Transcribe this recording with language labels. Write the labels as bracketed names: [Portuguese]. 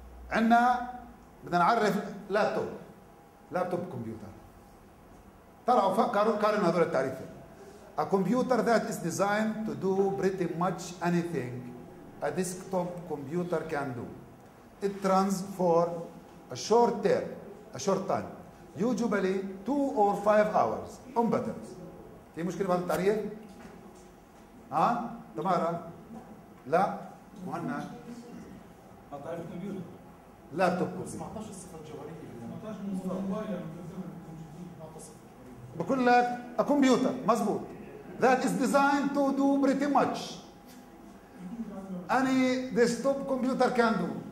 [Arabic] عندنا بدنا نعرف لابتوب كمبيوتر طلعوا فكروا قارن هذول التعريفين [English] A computer that is designed to do pretty much anything a desktop computer can do. It runs for a short time, usually 2 or 5 hours on batteries. [Arabic] في مشكلة بهذا التعريف؟ ها؟ تمارا؟ لا؟ مهنا؟ تعريف كمبيوتر؟ لا توب كمبيوتر. 17 صفر جوهرية. بقول لك [English] a computer [Arabic] مزبوط. [English] That is designed to do pretty much any desktop computer can do.